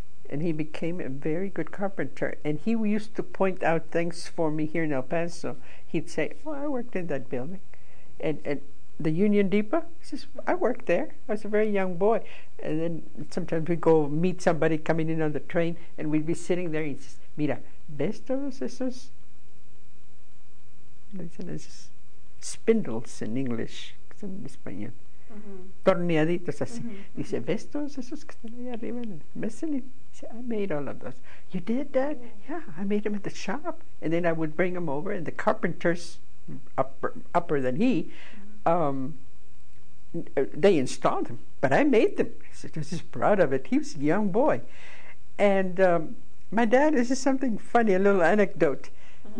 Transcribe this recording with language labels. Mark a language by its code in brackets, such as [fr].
[en] And he became a very good carpenter. And he used to point out things for me here in El Paso. He'd say, oh, I worked in that building. And the Union Depot? He says, I worked there. I was a very young boy. And then sometimes we'd go meet somebody coming in on the train, and we'd be sitting there. And he says, [es] mira, ¿ves todos esos? [en] It's spindles in English. In Spanish. Mm-hmm. [es] Torneaditos así. [en] Mm-hmm. [es] Dice, ¿ves todos esos que están ahí arriba en el mezanín? Dice, [en] I made all of those. You did, Dad? Yeah, I made them at the shop. And then I would bring them over, and the carpenters, upper than he, they installed them, but I made them. He said, I was proud of it. He was a young boy. And my dad, this is something funny, a little anecdote. Mm-hmm.